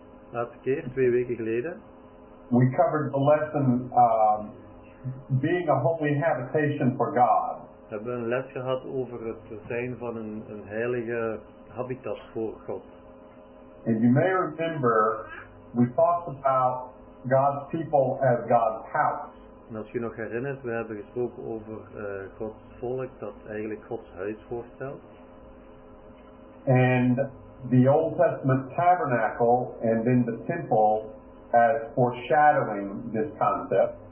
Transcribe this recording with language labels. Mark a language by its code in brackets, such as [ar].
[nl] Last keer, 2 weken geleden. [en] We covered the lesson, being a holy habitation for God. [nl] We hebben een les gehad over het zijn van een heilige habitat voor God. [en] And you may remember, we talked about God's people as God's house. [nl] En als je nog herinnert, we hebben gesproken over Gods volk, dat eigenlijk Gods huis voorstelt. [en] En the Old Testament tabernacle and then the temple as foreshadowing this concept.